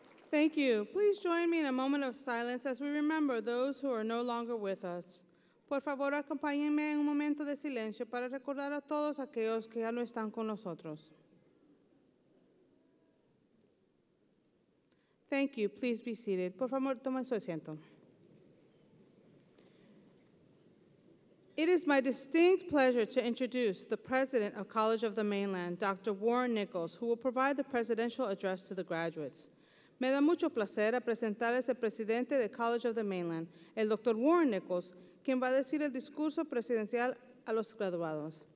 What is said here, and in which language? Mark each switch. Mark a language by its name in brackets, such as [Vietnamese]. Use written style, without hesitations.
[English] Thank you. Please join me in a moment of silence as we remember those who are no longer with us. [Spanish] Por favor, acompáñenme en un momento de silencio para recordar a todos aquellos que ya no están con nosotros. [English] Thank you. Please be seated. [Spanish] Por favor, tomen su asiento. [English] It is my distinct pleasure to introduce the president of College of the Mainland, Dr. Warren Nichols, who will provide the presidential address to the graduates. [Spanish] Me da mucho placer a presentarles al presidente de College of the Mainland, el Dr. Warren Nichols, quien va a decir el discurso presidencial a los graduados.